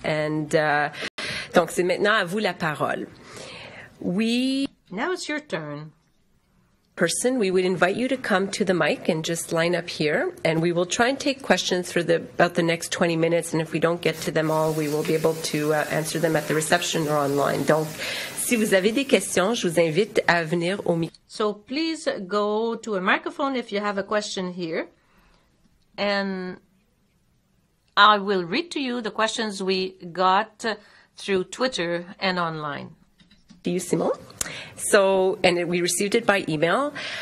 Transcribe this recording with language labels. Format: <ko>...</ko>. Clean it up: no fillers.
<en>And</en> <fr>donc, c'est maintenant à vous la parole.</fr> <en>Now it's your turn. Person, we would invite you to come to the mic and just line up here, and we will try and take questions for about the next 20 minutes, and if we don't get to them all, we will be able to answer them at the reception or online.</en> <fr>Donc, si vous avez des questions, je vous invite à venir au micro.</fr> <en>So please go to a microphone if you have a question here, and I will read to you the questions we got through Twitter and online. Thank you, Simon. So, and we received it by email.</en>